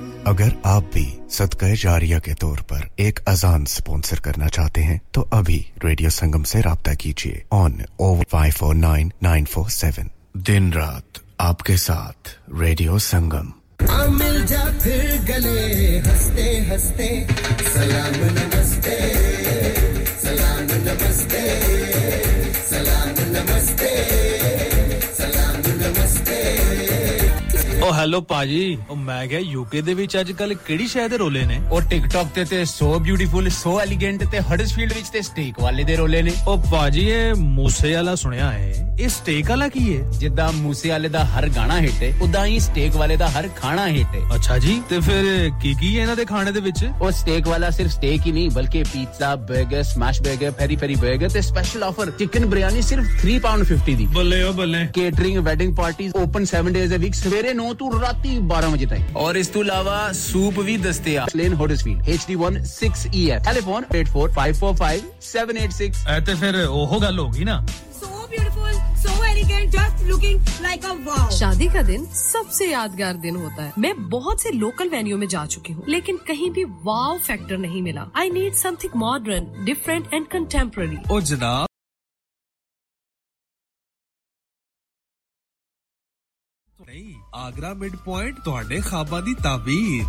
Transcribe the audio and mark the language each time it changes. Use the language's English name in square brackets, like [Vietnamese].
[Hindi] अगर आप भी सदकाए जारिया के तौर पर एक अजान स्पॉन्सर करना चाहते हैं तो अभी रेडियो संगम से राब्ता कीजिए ऑन 0549947. दिन रात आपके साथ रेडियो संगम. आ मिल जा फिर गले हंसते हंसते सलाम नमस्ते सलाम नमस्ते सलाम नमस्ते सलाम नमस्ते. [Punjabi] ਓ ਹੈਲੋ ਪਾਜੀ, ਓ ਮੈਂ ਕਿਹਾ ਯੂਕੇ ਦੇ ਵਿੱਚ ਅੱਜ ਕੱਲ ਕਿਹੜੀ ਸ਼ਹਿਰ ਦੇ ਰੋਲੇ ਨੇ? ਓ ਟਿਕਟੌਕ ਤੇ [English] so beautiful so elegant [Punjabi] ਤੇ ਹਡਸਫੀਲਡ ਵਿੱਚ ਤੇ ਸਟੇਕ ਵਾਲੇ ਦੇ ਰੋਲੇ ਨੇ. ਓ ਪਾਜੀ, ਇਹ ਮੂਸੇ ਵਾਲਾ ਸੁਣਿਆ ਹੈ, ਇਹ ਸਟੇਕ ਵਾਲਾ ਕੀ ਹੈ? ਜਿੱਦਾਂ ਮੂਸੇ ਵਾਲੇ ਦਾ ਹਰ ਗਾਣਾ ਹਿੱਟ ਹੈ, ਉਦਾਂ ਹੀ ਸਟੇਕ ਵਾਲੇ ਦਾ ਹਰ ਖਾਣਾ ਹਿੱਟ ਹੈ. ਅੱਛਾ ਜੀ, ਤੇ ਫਿਰ ਕੀ ਹੈ ਇਹਨਾਂ ਦੇ ਖਾਣੇ ਦੇ ਵਿੱਚ? ਓ ਸਟੇਕ ਵਾਲਾ ਸਿਰਫ ਸਟੇਕ ਹੀ ਨਹੀਂ ਬਲਕਿ pizza, burger, smash burger, ferry ferry burger ਤੇ ਸਪੈਸ਼ਲ ਆਫਰ ਚਿਕਨ ਬਿਰਿਆਨੀ ਸਿਰਫ £3.50 ਦੀ. ਬੱਲੇ ਓ ਬੱਲੇ. Catering, wedding parties [English] open 7 days a week, [Punjabi] ਸਵੇਰੇ 9 ਤੋਂ ਰਾਤੀ 12 ਵਜੇ ਤੱਕ. ਔਰ ਇਸ ਤੋਂ ਇਲਾਵਾ ਸੂਪ ਵੀ ਦਸਤਿਆ. Lane Huddersfield HD16EF, telephone 8454578 6. ਐ ਤੇ ਫਿਰ ਉਹ ਗੱਲ ਹੋ ਗਈ ਨਾ. [Hindi] शादी का दिन सबसे यादगार दिन होता है. मैं बहुत से लोकल वेन्यू में जा चुकी हूँ लेकिन कहीं भी वाव फैक्टर नहीं मिला. [English] I need something modern, different and contemporary. [Punjabi] ओ जनाब, आगरा मिड पॉइंट तुहाडे खाबा दी ताबीर.